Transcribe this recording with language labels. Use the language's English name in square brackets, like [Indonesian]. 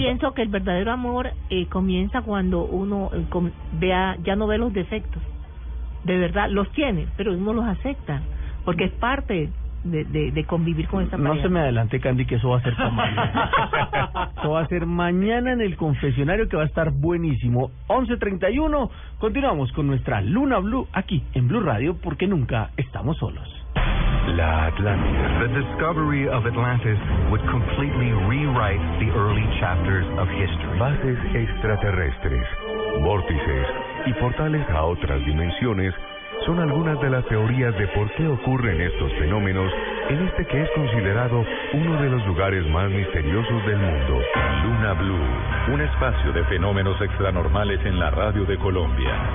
[Spanish] Yo pienso que el verdadero amor comienza cuando uno ya no ve los defectos. De verdad, los tiene, pero uno los acepta. Porque es parte de convivir con esta pareja. No se me adelante, Candy, que eso va a ser tan mal. Eso va a ser mañana en el confesionario, que va a estar buenísimo. 11:31, continuamos con nuestra Luna BLU aquí en BLU Radio, porque nunca estamos solos. La Atlántida. [English] The discovery of Atlantis would completely rewrite the early chapters of history. [Spanish] Bases extraterrestres, vórtices y portales a otras dimensiones son algunas de las teorías de por qué ocurren estos fenómenos en este que es considerado uno de los lugares más misteriosos del mundo. Luna BLU, un espacio de fenómenos extranormales en la radio de Colombia.